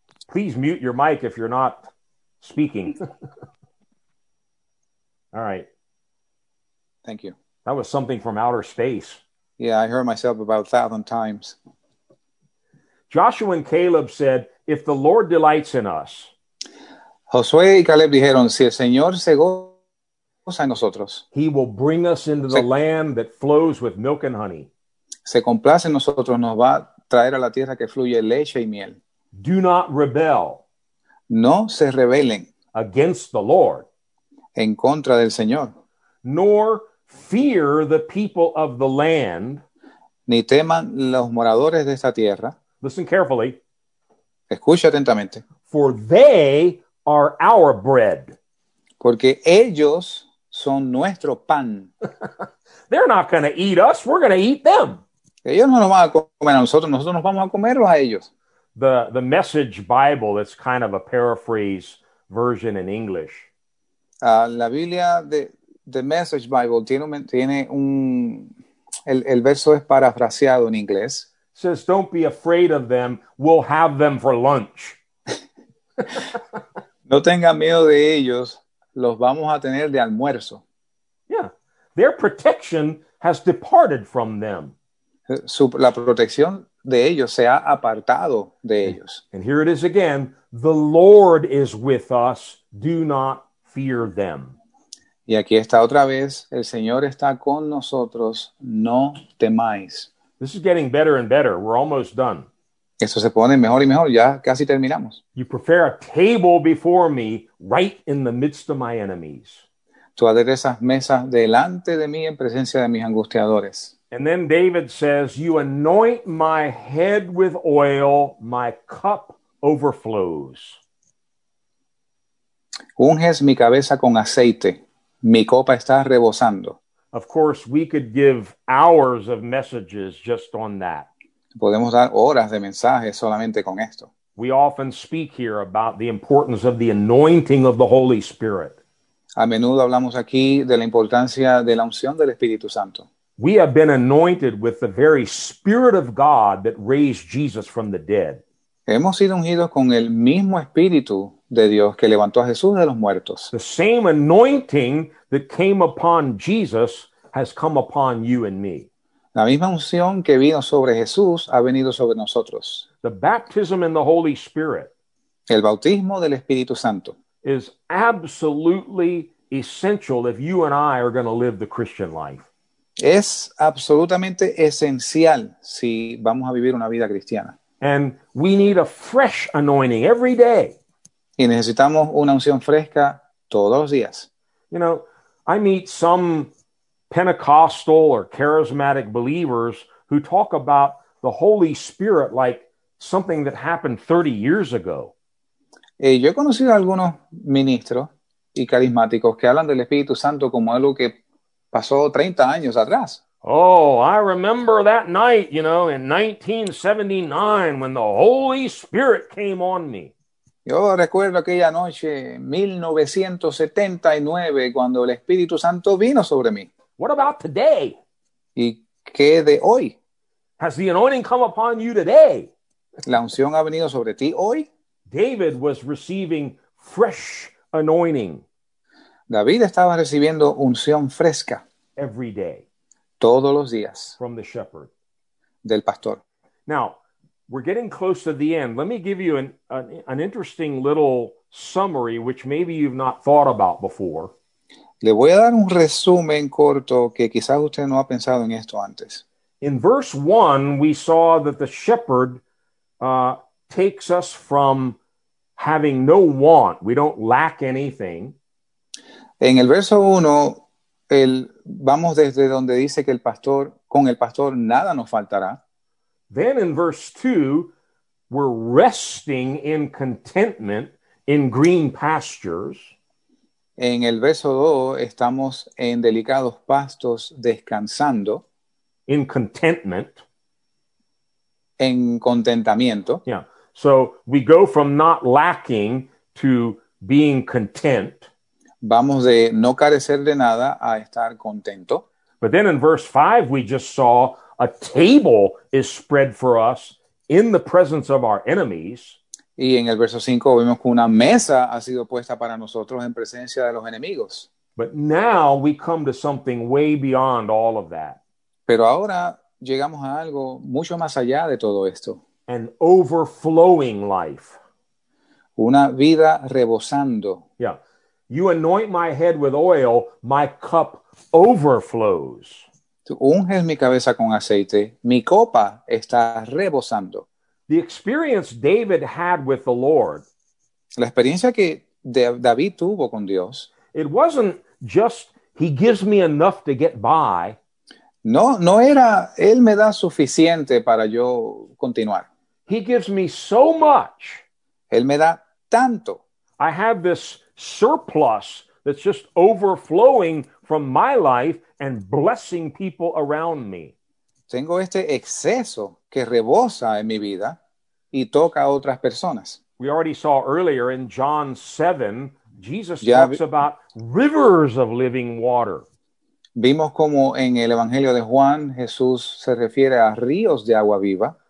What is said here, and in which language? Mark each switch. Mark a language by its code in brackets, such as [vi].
[en] Please mute your mic if you're not speaking. All right. Thank you. That was something from outer space. Yeah, I heard myself about 1,000 times. Joshua and Caleb said, if the Lord delights in us. [es] Josué y Caleb dijeron, si el Señor se goza en nosotros. [en] He will bring us into the land that flows with milk and honey. [es] Se complace en nosotros, nos va a traer a la tierra que fluye leche y miel. [en] Do not rebel. [es] No se rebelen. [en] Against the Lord. [es] En contra del Señor. [en] Nor fear the people of the land. [es] Ni teman los moradores de esta tierra. [en] Listen carefully. [es] Escucha atentamente. [en] For they are our bread. [es] Porque ellos son nuestro pan. [en] They're not going to eat us, we're going to eat them. [es] Ellos no nos van a comer a nosotros, nosotros nos vamos a comerlos a ellos. [en] The Message Bible, it's kind of a paraphrase version in English. [es] La Biblia de The Message Bible tiene un el verso es parafraseado en inglés. [en] Says, don't be afraid of them, we'll have them for lunch. [es] No tengan miedo de ellos, los vamos a tener de almuerzo. [en] Yeah, their protection has departed from them. [es] La protección de ellos se ha apartado de ellos. [en] And here it is again, the Lord is with us, do not fear them. [es] Y aquí está otra vez, el Señor está con nosotros, no temáis. [en] This is getting better and better, we're almost done. [es] Eso se pone mejor y mejor, ya casi terminamos. [en] You prepare a table before me, right in the midst of my enemies. [es] Tú aderezas mesas delante de mí en presencia de mis angustiadores. [en] And then David says, you anoint my head with oil, my cup overflows. [es] Unges mi cabeza con aceite, mi copa está rebosando. [en] Of course, we could give hours of messages just on that. [es] podemos dar horas de mensajes solamente con esto. [en] We often speak here about the importance of the anointing of the Holy Spirit. [es] A menudo hablamos aquí de la importancia de la unción del Espíritu Santo. [en] We have been anointed with the very Spirit of God that raised Jesus from the dead. [es] Hemos sido ungidos con el mismo Espíritu de Dios que levantó a Jesús de los muertos. [en] The same anointing that came upon Jesus has come upon you and me. [es] La misma unción que vino sobre Jesús ha venido sobre nosotros. [en] The baptism in the Holy Spirit. [es] El bautismo del Espíritu Santo. [en] Is absolutely essential if you and I are going to live the Christian life. [es] Es absolutamente esencial si vamos a vivir una vida cristiana. [en] And we need a fresh anointing every day. [es] Y necesitamos una unción fresca todos los días. [en] You know, I meet some Pentecostal or charismatic believers who talk about the Holy Spirit like something that happened 30 years ago. [es] Yo he conocido a algunos ministros y carismáticos que hablan del Espíritu Santo como algo que pasó 30 años atrás. [en] Oh, I remember that night, you know, in 1979 when the Holy Spirit came on me. [es] Yo recuerdo aquella noche, 1979, cuando el Espíritu Santo vino sobre mí. [en] What about today? [es] ¿Y qué de hoy? [en] Has the anointing come upon you today? [es] ¿La unción ha venido sobre ti hoy? [en] David was receiving fresh anointing. [es] David estaba recibiendo unción fresca. [en] Every day. [es] Todos los días. [en] From the shepherd. [es] Del pastor. [en] Now, we're getting close to the end. Let me give you an interesting little summary, which maybe you've not thought about before. [es] Le voy a dar un resumen corto que quizás usted no ha pensado en esto antes. [en] In verse 1, we saw that the shepherd takes us from having no want. We don't lack anything. [es] En el verso 1, vamos desde donde dice que el pastor, con el pastor nada nos faltará. [en] Then in verse 2, we're resting in contentment in green pastures. [es] En el verso 2, estamos en delicados pastos descansando. [en] In contentment. [es] En contentamiento. Yeah. [en] So we go from not lacking to being content. [es] Vamos de no carecer de nada a estar contento. [en] But then in verse 5, we just saw a table is spread for us in the presence of our enemies. [es] Y en el verso 5 vemos que una mesa ha sido puesta para nosotros en presencia de los enemigos. [en] But now we come to something way beyond all of that. [es] Pero ahora llegamos a algo mucho más allá de todo esto. [en] An overflowing life. [es] Una vida rebosando. Yeah. [en] You anoint my head with oil, my cup overflows. [es] Tú unges mi cabeza con aceite, mi copa está rebosando. [en] The experience David had with the Lord. [es] La experiencia que David tuvo con Dios. [en] It wasn't just he gives me enough to get by. [es] No era él me da suficiente para yo continuar. [en] He gives me so much. [es] Él me da tanto. [en] I have this surplus that's just overflowing from my life and blessing people around me. [es] Tengo este exceso que rebosa en mi vida y toca a otras personas. [en] We already saw earlier in John 7, Jesus talks about rivers of living water. [es] Vimos como en el Evangelio de Juan, Jesús se refiere a ríos de agua viva.